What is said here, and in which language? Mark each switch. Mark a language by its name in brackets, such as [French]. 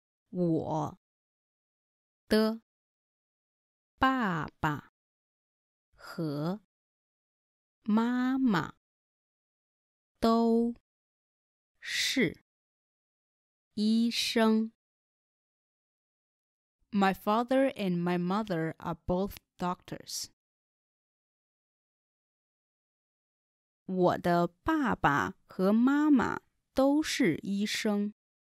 [Chinese] 我的爸爸和妈妈都是医生。 [English] My father and my mother are both doctors. [Chinese] 我的爸爸和妈妈都是医生。